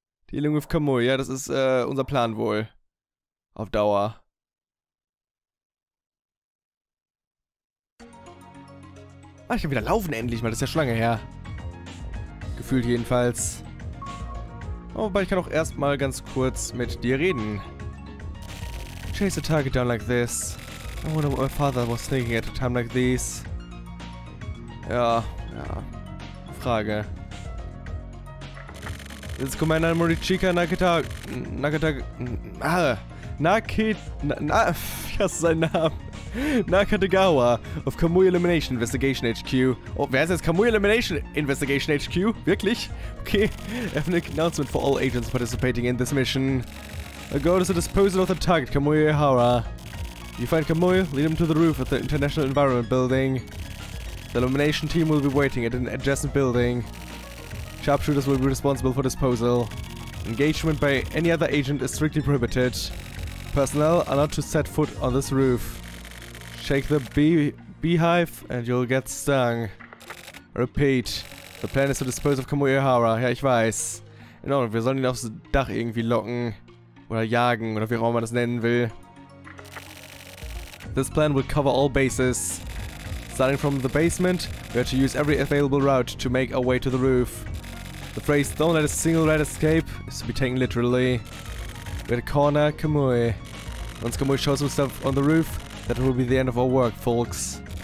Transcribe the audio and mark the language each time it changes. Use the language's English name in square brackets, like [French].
[English] Dealing with Kamui, [German] ja, das ist unser Plan wohl. Auf Dauer. Ah, ich kann wieder laufen endlich mal. Das ist ja schon lange her. Gefühlt jedenfalls. Wobei ich kann auch erstmal ganz kurz mit dir reden. [English] Chase a target down like this. I wonder what my father was thinking at a time like this. [German] Ja, ja. Frage. Jetzt ist [English] Commander Morichika Nakatagawa of Kamui Elimination Investigation HQ. [German] Oh, wer ist jetzt Kamui Elimination Investigation HQ? Wirklich? Okay. [English] Ethnic announcement for all agents participating in this mission. A goal is the disposal of the target, Kamui Ehara. You find Kamui, lead him to the roof of the International Environment Building. The Elimination team will be waiting at an adjacent building. Sharpshooters will be responsible for disposal. Engagement by any other agent is strictly prohibited. Personnel are not to set foot on this roof. Shake the beehive and you'll get stung. Repeat. The plan is to dispose of Kamui Ehara. [German] Ja, ich weiß. In Ordnung, wir sollen ihn aufs Dach irgendwie locken. Oder jagen, oder wie auch immer man das nennen will. [English] This plan will cover all bases. Starting from the basement, we have to use every available route to make our way to the roof. The phrase, don't let a single rat escape, is to be taken literally. We have to corner Kamui. Once Kamui shows himself on the roof, that will be the end of our work, folks.